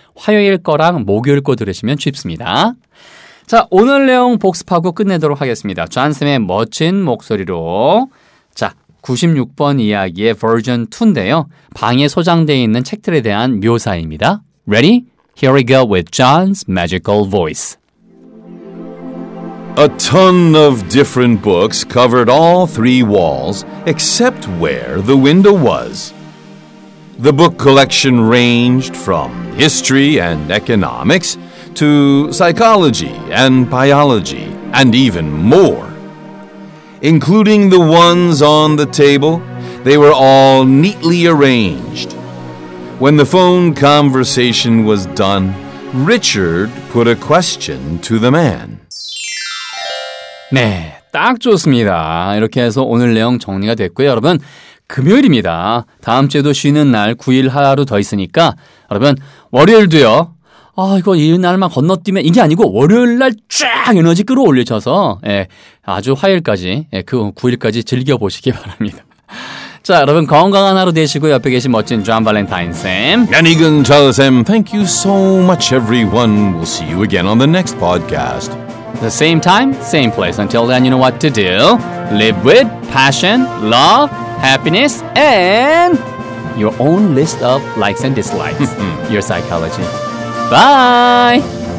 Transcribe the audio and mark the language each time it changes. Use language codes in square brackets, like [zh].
[ko] 화요일 거랑 목요일 거 들으시면 쉽습니다. 자, 오늘 내용 복습하고 끝내도록 하겠습니다. 존쌤의 멋진 목소리로 자 96번 이야기의 버전 2인데요. 방에 소장되어 있는 책들에 대한 묘사입니다. [en] Ready? Here we go with John's magical voice. A ton of different books covered all three walls except where the window was. The book collection ranged from history and economics to psychology and biology and even more. Including the ones on the table, they were all neatly arranged. When the phone conversation was done, Richard put a question to the man. [ko] 네, 딱 좋습니다. 이렇게 해서 오늘 내용 정리가 됐고요. 여러분, 금요일입니다. 다음 주에도 쉬는 날 9일 하루 더 있으니까 여러분, 월요일도요. 아, 이거 이 날만 건너뛰면 이게 아니고 월요일 날 쫙 에너지 끌어올리셔서 예, 아주 화요일까지, 예, 그 9일까지 즐겨보시기 바랍니다. 자, 여러분 건강한 하루 되시고 옆에 계신 멋진 존 발렌타인 쌤. 안녕, [en] 존 쌤. Thank you so much, everyone. We'll see you again on the next podcast. The same time, same place. Until then, you know what to do. Live with passion, love, happiness, and your own list of likes and dislikes. Your psychology. Bye!